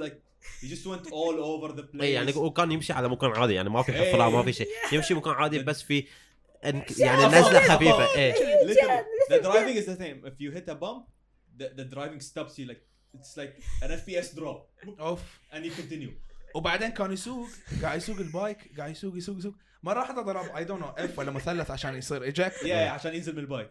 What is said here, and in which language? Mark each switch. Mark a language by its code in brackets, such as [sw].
[en] Like he just went all over the place. [ar] Hey, يعني وكان يمشي على مكان عادي. يعني ما في حفرة ما في شيء. يمشي مكان عادي بس في يعني نزلة خفيفة. [en] Hey, the driving is the same. If you hit a bump, the driving stops you. Like it's like an FPS drop. Off. And you continue. [ar] وبعدين كان يسوق قاعد يسوق البايك قاعد يسوق مرة حتى ضرب [en] I don't know [ar] F ولا مثلث عشان يصير إيجاك [en] yeah [ar] عشان ينزل من البايك